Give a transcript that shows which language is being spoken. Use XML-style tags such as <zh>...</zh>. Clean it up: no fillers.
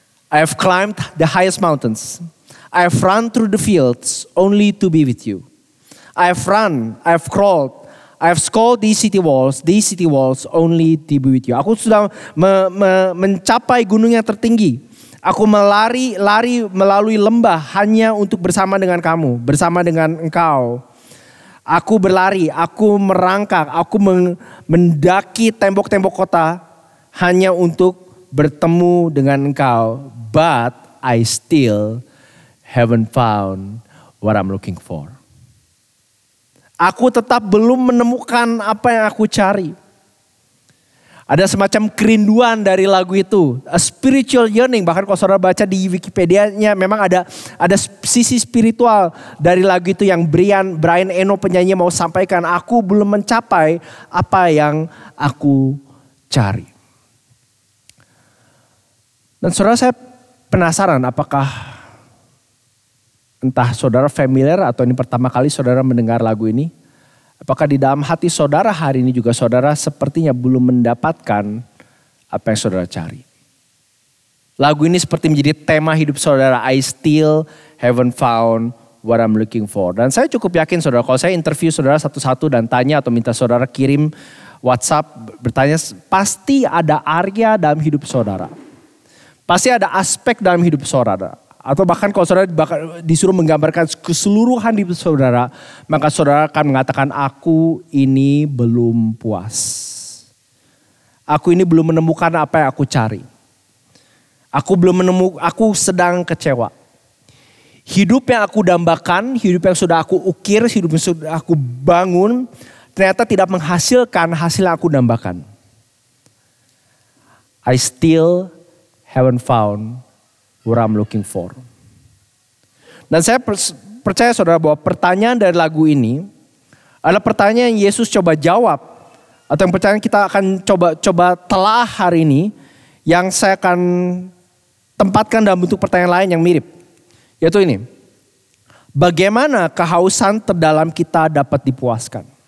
<en>I have climbed the highest mountains. I have run through the fields only to be with you. I have run, I have crawled, I have scaled these city walls only to be with you.</en> <id>Aku sudah mencapai gunung yang tertinggi. Aku melari melalui lembah hanya untuk bersama dengan kamu, bersama dengan engkau. Aku berlari, aku merangkak, aku mendaki tembok-tembok kota hanya untuk bertemu dengan engkau.</id> <en>But I still haven't found what I'm looking for.</en> <id>Aku tetap belum menemukan apa yang aku cari. Ada semacam kerinduan dari lagu itu.</id> <en>A spiritual yearning.</en> <id>Bahkan kalau saudara baca di Wikipedia-nya, memang ada sisi spiritual dari lagu itu yang Brian Eno penyanyi mau sampaikan. Aku belum mencapai apa yang aku cari. Dan saudara, saya penasaran apakah entah saudara familiar atau ini pertama kali saudara mendengar lagu ini. Apakah di dalam hati saudara hari ini juga saudara sepertinya belum mendapatkan apa yang saudara cari. Lagu ini seperti menjadi tema hidup saudara.</id> <en>I still haven't found what I'm looking for.</en> <id>Dan saya cukup yakin saudara, kalau saya interview saudara satu-satu dan tanya atau minta saudara kirim WhatsApp bertanya, pasti ada area dalam hidup saudara. Pasti ada aspek dalam hidup saudara. atau bahkan kalau saudara disuruh menggambarkan keseluruhan hidup saudara, maka saudara akan mengatakan, aku ini belum puas. Aku ini belum menemukan apa yang aku cari. Aku sedang kecewa. Hidup yang aku dambakan, hidup yang sudah aku ukir, hidup yang sudah aku bangun, ternyata tidak menghasilkan hasil yang aku dambakan.</id> <en>I still haven't found what I'm looking for.</en> <id>Dan saya percaya saudara bahwa pertanyaan dari lagu ini adalah pertanyaan yang Yesus coba jawab. Atau yang pertanyaan kita akan coba telah hari ini, yang saya akan tempatkan dalam bentuk pertanyaan lain yang mirip. Yaitu ini, bagaimana kehausan terdalam kita dapat dipuaskan?</id>